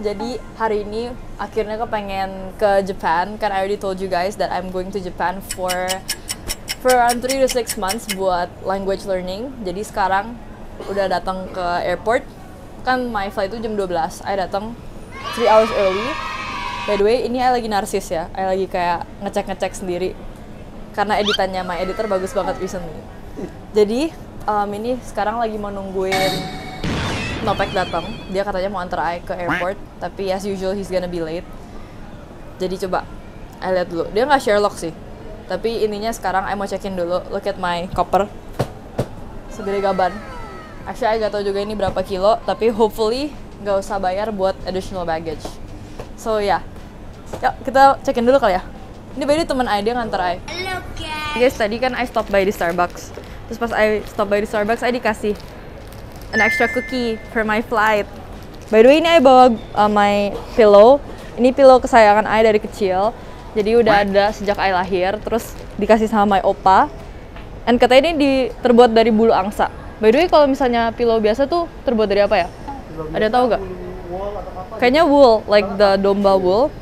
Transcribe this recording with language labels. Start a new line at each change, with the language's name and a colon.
Indonesian: Jadi hari ini akhirnya kepengen ke Japan.
English: Kan I already told you guys that I'm going to Japan for around 3 to 6 months buat language learning.
Indonesian: Jadi sekarang udah datang ke airport.
English: Kan my flight
Indonesian: itu jam 12.
English: I datang 3 hours early.
Indonesian: By the way, ini I lagi narsis ya. I lagi kayak ngecek-ngecek sendiri. Karena editannya my editor bagus banget recently. Jadi ini sekarang lagi mau nungguin Nopek datang. Dia katanya mau antar I ke airport, tapi
English: as usual he's gonna be late.
Indonesian: Jadi coba I lihat dulu. Dia enggak Sherlock sih. Tapi ininya sekarang I mau check-in dulu.
English: Look at my copper.
Indonesian: Segede gaban. Actually I enggak tahu juga ini berapa kilo, tapi hopefully enggak usah bayar buat additional baggage.
English: So yeah.
Indonesian: Yuk, kita check-in dulu kali ya. Ini by the way teman I, dia ngantar I.
English: Hello
Indonesian: guys. Tadi kan I stop by di Starbucks. Terus pas I stop by di Starbucks, I dikasih
English: an extra cookie for my flight.
Indonesian: By the way, ini I bawa my pillow. Ini pillow kesayangan I dari kecil. Jadi udah ada sejak I lahir. Terus dikasih sama my opa. And katanya ini terbuat dari bulu angsa. By the way, kalau misalnya pillow biasa tuh terbuat dari apa ya? Ada tahu gak? Kayaknya wool,
English: like the domba wool.